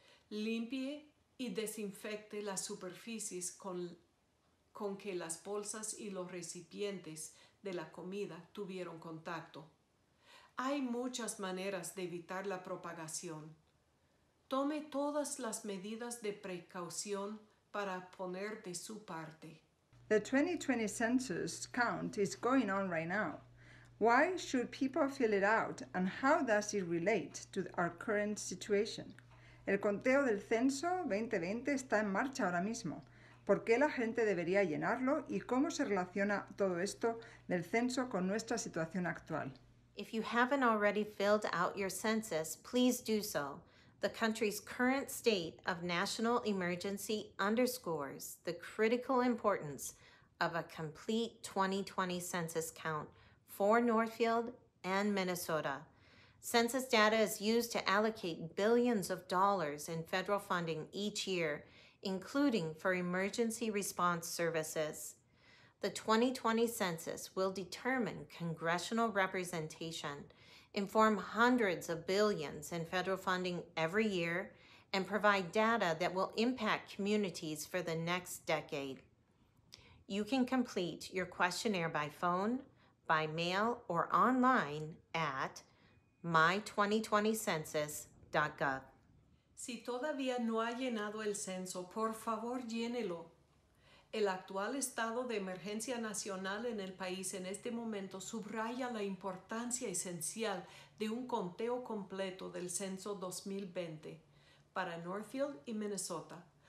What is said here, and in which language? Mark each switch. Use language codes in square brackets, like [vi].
[es] Limpie y desinfecte las superficies con que las bolsas y los recipientes de la comida tuvieron contacto. Hay muchas maneras de evitar la propagación. Tome todas las medidas de precaución para poner de su parte. [en] The 2020 census count is going on right now. Why should people fill it out and how does it relate to our current situation? [es] El conteo del censo 2020 está en marcha ahora mismo. ¿Por qué la gente debería llenarlo y cómo se relaciona todo esto del censo con nuestra situación actual? [en] If you haven't already filled out your census, please do so. The country's current state of national emergency underscores the critical importance of a complete 2020 census count for Northfield and Minnesota. Census data is used to allocate billions of dollars in federal funding each year, including for emergency response services. The 2020 census will determine congressional representation, inform hundreds of billions in federal funding every year, and provide data that will impact communities for the next decade. You can complete your questionnaire by phone, by mail, or online at my2020census.gov. [es] Si todavía no ha llenado el censo, por favor llénelo. El actual estado de emergencia nacional en el país en este momento subraya la importancia esencial de un conteo completo del censo 2020 para Northfield y Minnesota.